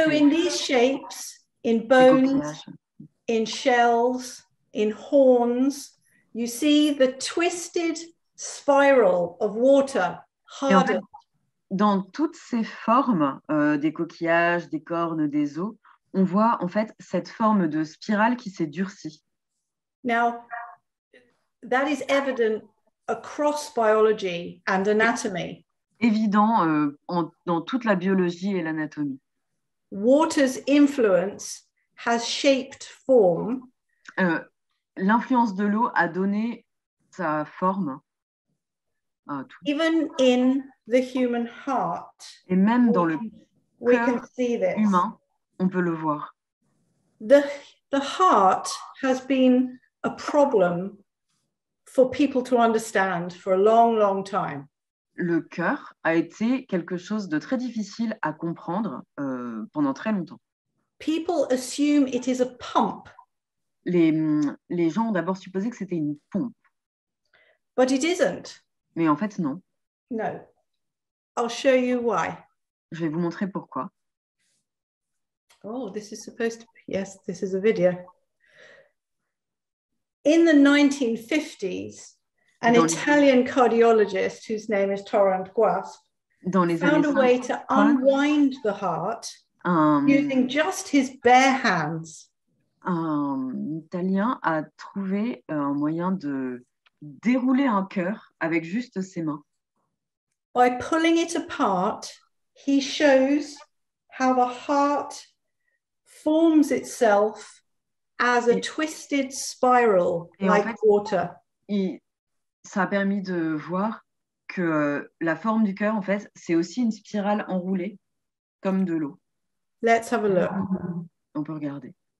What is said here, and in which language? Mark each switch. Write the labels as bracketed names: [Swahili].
[English] créés. So in these shapes, in bones, in shells, in horns, you see the twisted spiral of water hardened. [French] Dans toutes ces formes, des coquillages, des cornes, des os, on voit en fait cette forme de spirale qui s'est durcie. [English] Now, that is evident across biology and anatomy. [French] Évident dans toute la biologie et l'anatomie. [English] Water's influence has shaped form. [French] L'influence de l'eau a donné sa forme. [English] Even in the human heart, [French] et même dans le cœur humain, on peut le voir. [English] The heart has been a problem for people to understand for a long, long time. [French] Le cœur a été quelque chose de très difficile à comprendre pendant très longtemps. [English] People assume it is a pump. [French] Les gens ont d'abord supposé que c'était une pompe. [English] But it isn't. [French] Mais en fait, non. [English] No. I'll show you why. [French] Je vais vous montrer pourquoi. [English] Oh, this is supposed to be... Yes, this is a video. In the 1950s, an Italian cardiologist whose name is Torrent Guasp found a way to unwind the heart using just his bare hands. [French] Un Italien a trouvé un moyen de dérouler un cœur avec juste ses mains. [English] By pulling it apart, he shows how the heart forms itself as a twisted spiral like water. [French] Et ça a permis de voir que la forme du cœur, en fait, c'est aussi une spirale enroulée comme de l'eau. [English] Let's have a look. [French] On peut regarder.